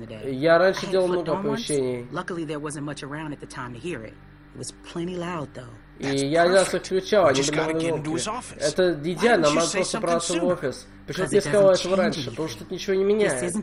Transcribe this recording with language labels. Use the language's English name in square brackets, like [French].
[Russian] Я раньше делал много оповещений. [English] Luckily, there wasn't much around at the time to hear it. It was plenty loud, though. [Russian] И я не раз их включал, они были на звуке. Это идеально, надо просто пробраться в офис. Почему ты не сказал этого раньше? Потому что тут ничего не меняет.